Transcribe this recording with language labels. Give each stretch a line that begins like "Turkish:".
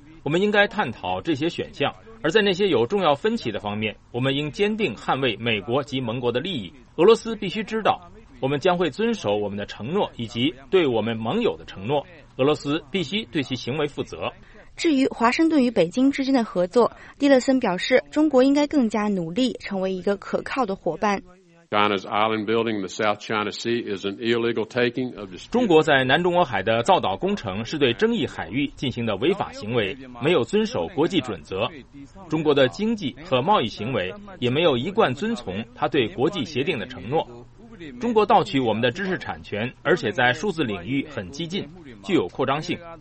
Chinese: 我们应该探讨这些选项，而在那些有重要分歧的方面，我们应坚定捍卫美国及盟国的利益。俄罗斯必须知道，我们将会遵守我们的承诺以及对我们盟友的承诺。俄罗斯必须对其行为负责。至于华盛顿与北京之间的合作，蒂勒森表示，中国应该更加努力成为一个可靠的伙伴。
English: China's island building in the South China Sea is an illegal taking of the.
Chinese: 中国在南中国海的造岛工程是对争议海域进行的违法行为，没有遵守国际准则。中国的经济和贸易行为也没有一贯遵从他对国际协定的承诺。中国盗取我们的知识产权，而且在数字领域很激进，具有扩张性。